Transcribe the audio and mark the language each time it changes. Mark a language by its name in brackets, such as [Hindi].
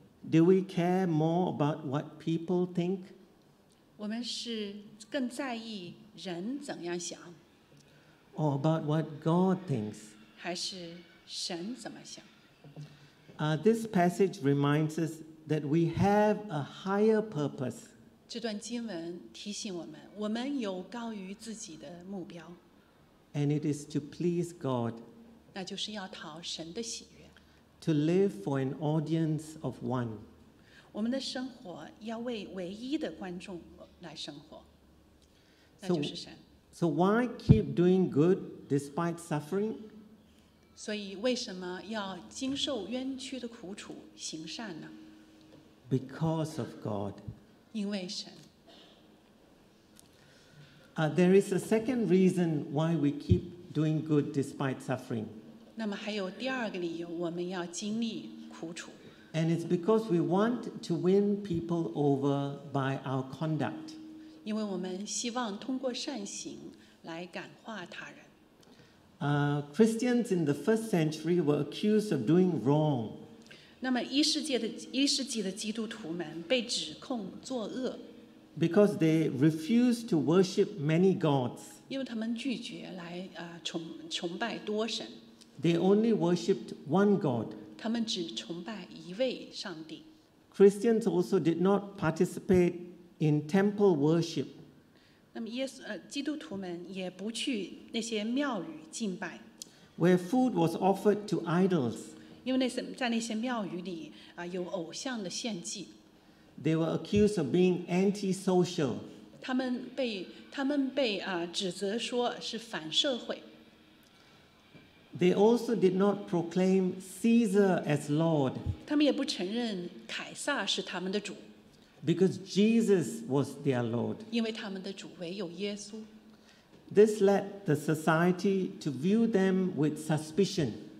[English] Do we care more about what people think? [Chinese] 我们是更在意人怎样想 [English] ，or about what God thinks， [Chinese] 还是神怎么想 [English] ？This passage reminds us that we have a higher purpose。 [Chinese] 这段经文提醒我们，我们有高于自己的目标 [English] ，and it is to please God， [Chinese] 那就是要讨神的喜悦 [English] ，to live for an audience of one。 [Chinese] 我们的生活要为唯一的观众。来生活，那就是神。 [English] So why keep doing good despite suffering? [Chinese] 所以为什么要经受冤屈的苦楚行善呢？ [English] Because of God. [Chinese] 因为神。 [English] There is a second reason why we keep doing good despite suffering. [Chinese] 那么还有第二个理由，我们要经历苦楚。 [English] And it's because we want to win people over by our conduct. [Chinese] 因为我们希望通过善行来感化他人。 [English] Christians in the first century were accused of doing wrong. [Chinese] 那么一世纪的基督徒们被指控作恶。 [English] Because they refused to worship many gods. [Chinese] 因为他们拒绝来崇拜多神。 [English] They only worshipped one God. [Chinese] 他们只崇拜一位上帝。 [English] Christians also did not participate in temple worship. [Chinese] 那么基督徒们也不去那些庙宇敬拜。 [English] Where food was offered to idols. [Chinese] 因为在那些庙宇里有偶像的献祭。 [English] They were accused of being antisocial. [Chinese] 他们被指责说是反社会。 [English] They also did not proclaim Caesar as Lord. [Chinese] 他们也不承认凯撒是他们的主。 [English] Because Jesus was their Lord. [Chinese] 因为他们的主唯有耶稣。 [English] This led the society to view them with suspicion.